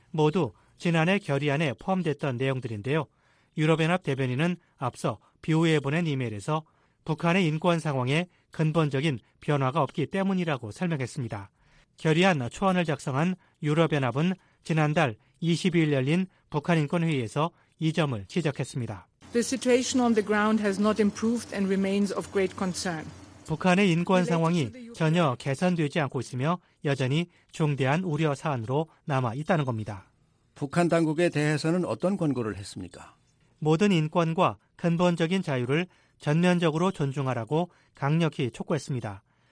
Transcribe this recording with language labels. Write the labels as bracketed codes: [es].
[ko] 모두 지난해 결의안에 포함됐던 내용들인데요. 유럽연합 대변인은 앞서 BOA에 보낸 이메일에서 북한의 인권 상황에 근본적인 변화가 없기 때문이라고 설명했습니다. 결의안 초안을 작성한 유럽연합은 지난달 22일 열린 북한인권회의에서 이 점을 지적했습니다. [en] The situation on the ground has not improved and remains of great concern. [ko] 북한의 인권 상황이 전혀 개선되지 않고 있으며 여전히 중대한 우려 사안으로 남아 있다는 겁니다. 북한 당국에 대해서는 어떤 권고를 했습니까? 모든 인권과 근본적인 자유를 전면적으로 존중하라고 강력히 촉구했습니다.